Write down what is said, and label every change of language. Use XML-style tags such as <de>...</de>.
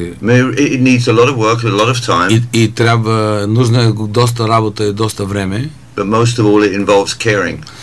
<en>It needs a lot of work and a lot of time.</en> <bg>И трябва нужна е доста работа и доста време.</bg> <en>But most of all it involves caring.</en>